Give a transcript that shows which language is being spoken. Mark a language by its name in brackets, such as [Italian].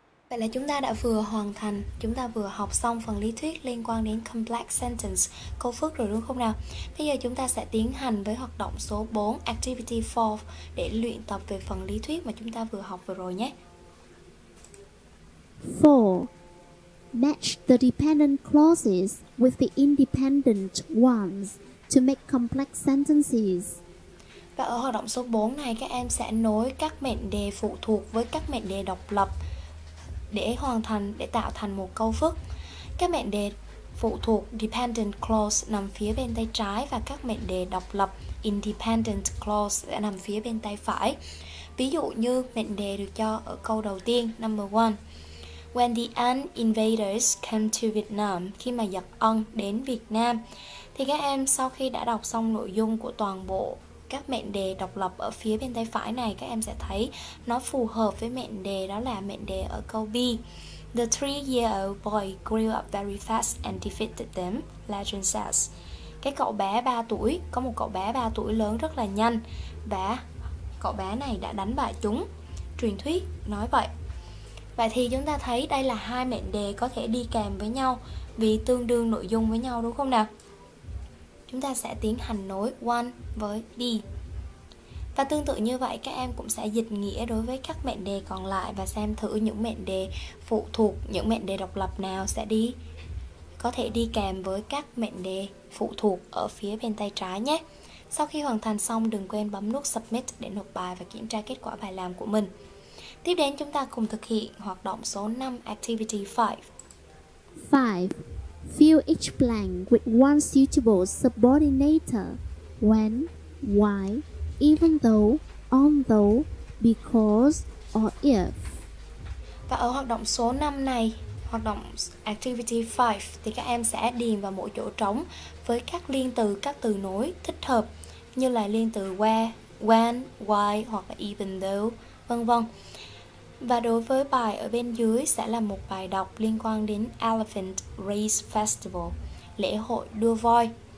[Vietnamese] Vậy là chúng ta đã vừa hoàn thành, chúng ta vừa học xong phần lý thuyết liên quan đến complex sentence, câu phức rồi đúng không nào? Bây giờ chúng ta sẽ tiến hành với hoạt động số 4, Activity 4 để luyện tập về phần lý thuyết mà chúng ta vừa học vừa rồi nhé. [English] 4. Match the dependent clauses with the independent ones to make complex sentences. [Vietnamese] Và ở hoạt động số 4 này, các em sẽ nối các mệnh đề phụ thuộc với các mệnh đề độc lập để tạo thành một câu phức. Các mệnh đề phụ thuộc dependent clause nằm phía bên tay trái và các mệnh đề độc lập independent clause sẽ nằm phía bên tay phải. Ví dụ như mệnh đề được cho ở câu đầu tiên, number 1. [English] When the Ang invaders came to Vietnam, [Vietnamese] khi mà giặc Ân đến Việt Nam, thì các em sau khi đã đọc xong nội dung của toàn bộ các mệnh đề độc lập ở phía bên tay phải này, các em sẽ thấy nó phù hợp với mệnh đề, đó là mệnh đề ở câu B. [English] The 3-year-old boy grew up very fast and defeated them, legend says. [Vietnamese] Cái cậu bé 3 tuổi, có một cậu bé 3 tuổi lớn rất là nhanh và cậu bé này đã đánh bại chúng, truyền thuyết nói vậy. Vậy thì chúng ta thấy đây là hai mệnh đề có thể đi kèm với nhau vì tương đương nội dung với nhau, đúng không nào? Chúng ta sẽ tiến hành nối one với B. Và tương tự như vậy, các em cũng sẽ dịch nghĩa đối với các mệnh đề còn lại và xem thử những mệnh đề phụ thuộc, những mệnh đề độc lập nào sẽ đi, có thể đi kèm với các mệnh đề phụ thuộc ở phía bên tay trái nhé. Sau khi hoàn thành xong, đừng quên bấm nút Submit để nộp bài và kiểm tra kết quả bài làm của mình. Tiếp đến, chúng ta cùng thực hiện hoạt động số 5, Activity 5. [English] 5. Fill each blank with one suitable subordinator. When, why, even though, although, because, or if. [Vietnamese] Và ở hoạt động số 5 này, hoạt động Activity 5, thì các em sẽ điền vào mỗi chỗ trống với các liên từ, các từ nối thích hợp như là liên từ where, when, why hoặc là even though, vân vân. Và đối với bài ở bên dưới sẽ là một bài đọc liên quan đến Elephant Race Festival, lễ hội đua voi.